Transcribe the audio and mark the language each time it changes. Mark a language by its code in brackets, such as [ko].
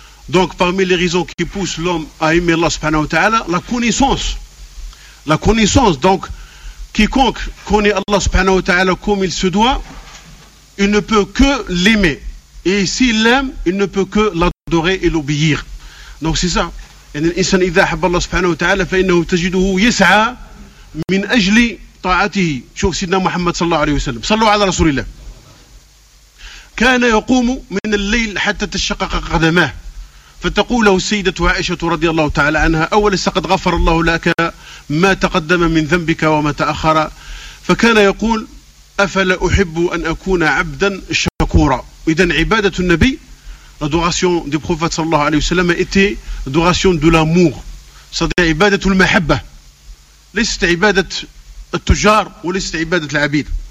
[fr] Donc parmi les raisons qui poussent l'homme à aimer Allah subhanahu wa ta'ala, la connaissance. Donc quiconque connaît Allah subhanahu wa ta'ala comme il se doit, il ne peut que l'aimer, et s'il l'aime, il ne peut que l'adorer et l'obéir. Donc c'est ça. [ar] يعني الإنسان إذا أحب الله سبحانه وتعالى فإنه تجده يسعى من أجل طاعته. شوف سيدنا محمد صلى الله عليه وسلم، صلوا على رسول الله، كان يقوم من الليل حتى تشقق قدماه، فتقول له السيدة عائشة رضي الله تعالى عنها: أوليس قد غفر الله لك ما تقدم من ذنبك وما تأخر؟ فكان يقول: أفلا أحب أن أكون عبدا شكورا. إذن عبادة النبي، [fr] l'adoration du prophète sallallahu alayhi wa sallam, était l'adoration de l'amour. C'est-à-dire l'ibadat al-mahabba. C'est l'ibadat al-tujar ou l'ibadat al-abid.